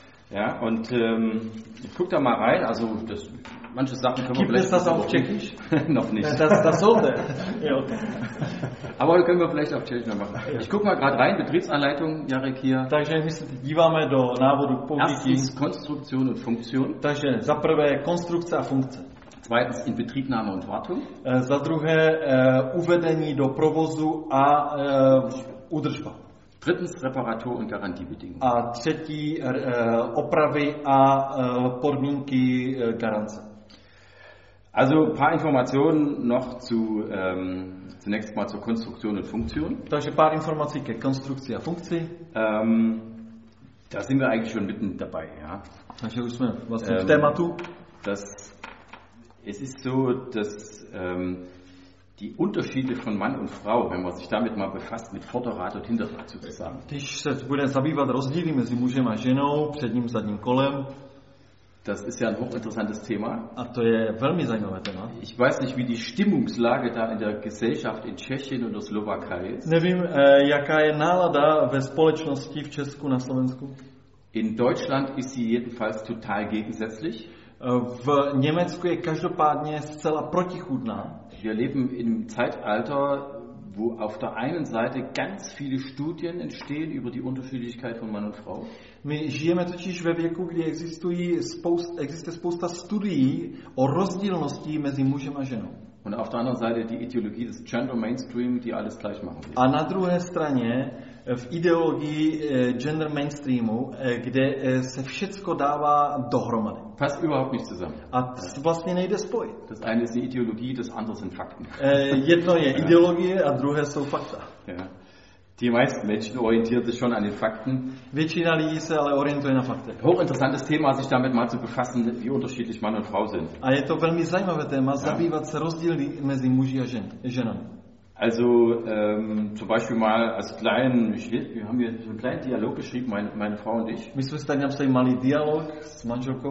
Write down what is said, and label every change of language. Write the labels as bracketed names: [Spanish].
[German] Ja, und guck da mal rein, also das manche Sachen können wir vielleicht das auf Tschechisch? Noch nicht. Das sollte. Ja, okay. Aber können wir vielleicht auf Tschechisch machen. Ich guck mal gerade rein, Betriebsanleitung, Jarek hier. [Czech] Takže my se díváme do návodu použití. [German] Erstens Konstruktion und Funktion. [Czech] Takže za prvé konstrukce a funkce. [German] Zweitens Inbetriebnahme und Wartung. [Czech] Za druhé uvedení do provozu a údržba. [German] Drittens Reparatur und Garantiebedingungen. [Czech] A třetí opravy a podmínky garance. [German] Also ein paar Informationen noch zu zunächst mal zur Konstruktion und Funktion. [Czech] Takže pár informací ke konstrukci a funkci. [German] Da sind wir eigentlich schon mitten dabei, ja. [Czech] Takže už jsme vlastně v tématu. [German] Es ist so, dass die Unterschiede von Mann und Frau, wenn man sich damit mal befasst, mit Vorderrad und Hinterrad sozusagen. [Czech] Když se budeme zabývat rozdíly mezi mužem a ženou, předním, zadním kolem. [German] Das ist ja ein hochinteressantes Thema. [Czech] A to je velmi zajímavé téma. [German] Ich weiß nicht, wie die Stimmungslage da in der Gesellschaft in Tschechien und der Slowakei ist. [Czech] Nevím, jaká je nálada ve společnosti v Česku na Slovensku. [German] In Deutschland ist sie jedenfalls total gegensätzlich. [Czech] V Německu je každopádně zcela protichůdná. [German] Wir leben im Zeitalter, wo auf der einen Seite ganz viele Studien entstehen über die Unterschiedlichkeit von Mann und Frau. [Czech] My žijeme totiž ve věku, kdy existuje spousta studií o rozdílnosti mezi mužem a ženou. [German] Und auf der anderen Seite die Ideologie des Gender Mainstream, die alles gleich machen will. [Czech] A na druhé straně v ideologii gender mainstreamu, kde se všecko dává dohromady. [German] Passt überhaupt nicht zusammen. [Czech] A vlastně nejde spojit. [German] Das eine ist die Ideologie, das andere sind Fakten. [Czech] Jedno je ideologie a druhé jsou fakta. [German] Ja. Die meisten Menschen orientieren sich schon an den Fakten. [Czech] Většina lidí se ale orientuje na fakty. [German] Hochinteressantes Thema, sich damit mal zu befassen, wie unterschiedlich Mann und Frau sind. [Czech] A je to velmi zajímavé téma, zabývat se rozdíly mezi muži a ženami. [German] Also zum Beispiel mal als kleinen, wir haben hier so einen kleinen Dialog geschrieben, meine Frau und ich. [Czech] My jsme si tady napsali malý dialog s manželkou.